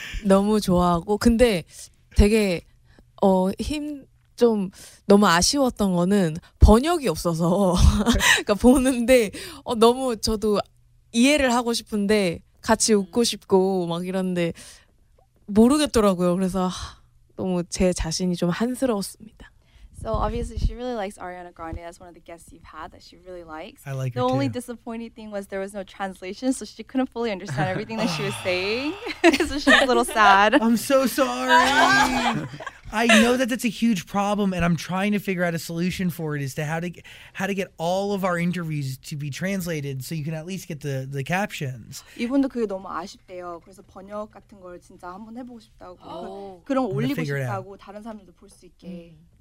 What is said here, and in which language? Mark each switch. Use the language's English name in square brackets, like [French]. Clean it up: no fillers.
[Korean] 너무 좋아하고 근데 되게 힘 좀 너무 아쉬웠던 거는 번역이 없어서 그러니까 보는데 너무 저도 이해를 하고 싶은데 같이 웃고 싶고 막 이런데 모르겠더라고요. 그래서 너무 제 자신이 좀 한스러웠습니다. [English] So obviously she really likes Ariana Grande. That's one of the guests you've had that she really likes. I like the her only too. Disappointing thing was there was no translation, so she couldn't fully understand everything that she was saying. So she was a little sad. I'm so sorry. I know that that's a huge problem, and I'm trying to figure out a solution for it, as to how to get all of our interviews to be translated so you can at least get the captions. [Korean] 이분도 그게 너무 아쉽대요. 그래서 번역 같은 걸 진짜 한번 해보고 싶다고 그런 올리고 싶다고 다른 사람들도 볼 수 있게.